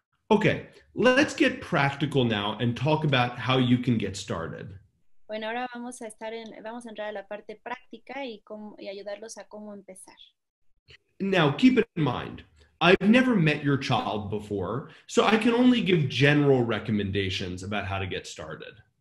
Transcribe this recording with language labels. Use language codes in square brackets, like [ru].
[en] Okay, let's get practical now and talk about how you can get started. [es] Bueno, ahora vamos a entrar a la parte práctica y ayudarlos a cómo empezar. [en] Now, keep in mind, I've never met your child before, so I can only give general recommendations about how to get started.